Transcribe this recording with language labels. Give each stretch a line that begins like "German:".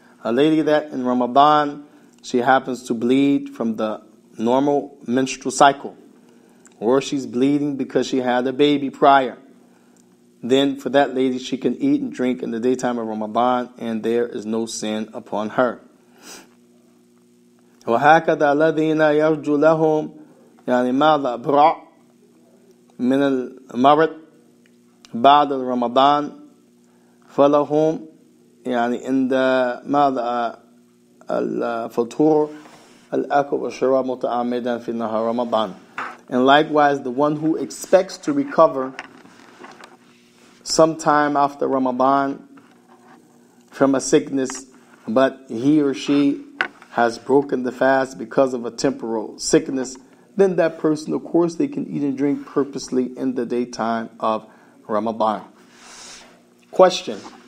English: A lady that in Ramadan, she happens to bleed from the normal menstrual cycle. Or she's bleeding because she had a baby prior. Then for that lady, she can eat and drink in the daytime of Ramadan, and there is no sin upon her.
Arabic: وَهَكَذَا الَّذِينَ يَرْجُوا لَهُمْ يعني ماذا برع من المرض بعد رمضان فلهم يعني عند ماذا الفطور الأكل والشراب متعمدا في نهار رمضان.
English: And likewise, the one who expects to recover sometime after Ramadan from a sickness, but he or she has broken the fast because of a temporal sickness, then that person, of course, they can eat and drink purposely in the daytime of Ramadan. Question.